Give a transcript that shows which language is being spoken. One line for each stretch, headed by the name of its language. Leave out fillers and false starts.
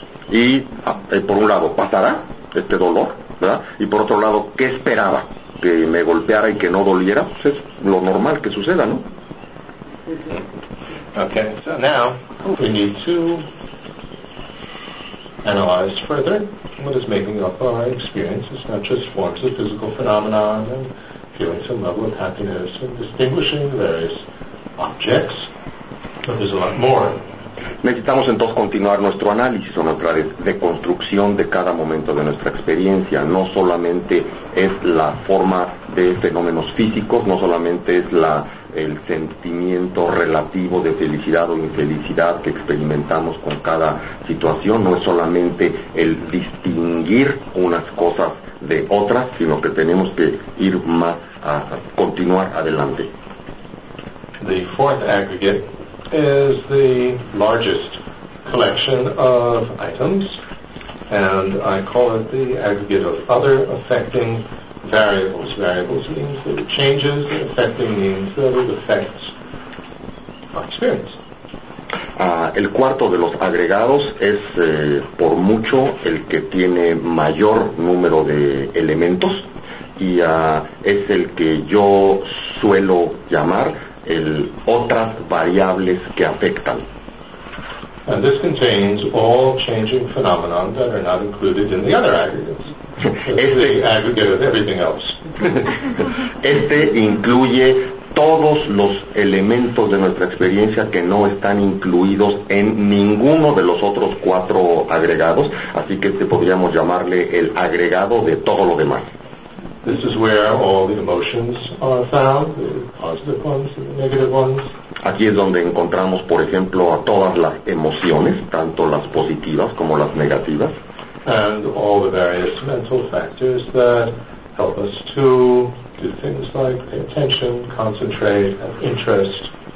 Spanish: Y por un lado, pasará este dolor, ¿verdad? Y por otro lado, ¿qué esperaba? Que me golpeara y que no doliera, pues es lo normal que suceda, ¿no?
English: Okay, so now we need to analyze further what is making up our experiences, not just forms of physical phenomenon and feeling some level of happiness and distinguishing various objects, but there's a lot more.
Spanish: Necesitamos entonces continuar nuestro análisis o nuestra deconstrucción de cada momento de nuestra experiencia. No solamente es la forma de fenómenos físicos, no solamente es el sentimiento relativo de felicidad o infelicidad que experimentamos con cada situación, no es solamente el distinguir unas cosas de otras, sino que tenemos que ir más a continuar adelante.
English: The fourth aggregate is the largest collection of items, and I call it the aggregate of other affecting variables. Variables means that it changes, and affecting means that it affects our experience.
Spanish: El cuarto de los agregados es por mucho el que tiene mayor número de elementos, y es el que yo suelo llamar el otras variables que afectan.
English: And this contains all changing phenomena that are not included in the other aggregates.
Spanish: Este
English: the aggregate of everything else.
Spanish: Este incluye todos los elementos de nuestra experiencia que no están incluidos en ninguno de los otros cuatro agregados, así que este podríamos llamarle el agregado de todo lo demás.
English: This is where all the emotions are found, the positive ones and the negative ones.
Spanish: Aquí es donde encontramos, por ejemplo, a todas las emociones, tanto las positivas como las negativas.
English: And all the various mental factors that help us to do things like pay attention, concentrate, have interest.